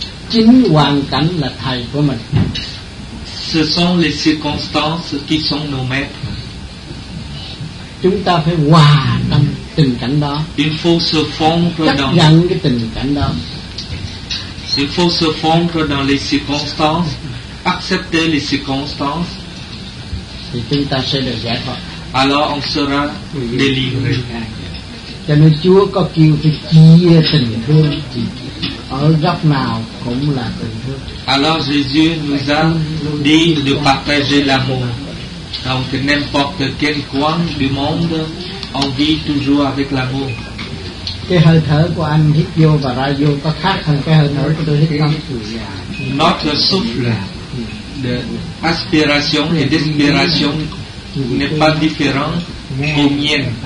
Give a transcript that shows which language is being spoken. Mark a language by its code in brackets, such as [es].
[vi] Chính hoàn cảnh là thầy của mình. [fr] Ce sont les circonstances qui sont nos maîtres. [vi] Chúng ta phải hòa tâm tình cảnh đó. [fr] Il faut se fondre [vi] chấp nhận cái tình cảnh đó. [fr] Il faut se fondre dans les circonstances, accepter les circonstances. [vi] Thì chúng ta sẽ được giải thoát. [fr] Alors on sera délivré. [vi] Cho nên Chúa có kêu cái chia tình thương thì ở góc nào cũng là tình thương. [fr] Alors Jésus nous a dit de partager l'amour. Donc n'importe quel coin du monde, on vit toujours avec l'amour. [vi] Cái hơi thở của anh hít vô và ra vô có khác hơn cái hơi thở của tôi hít không? [fr] Notre souffle de aspiration et d'inspiration n'est pas différent au mien.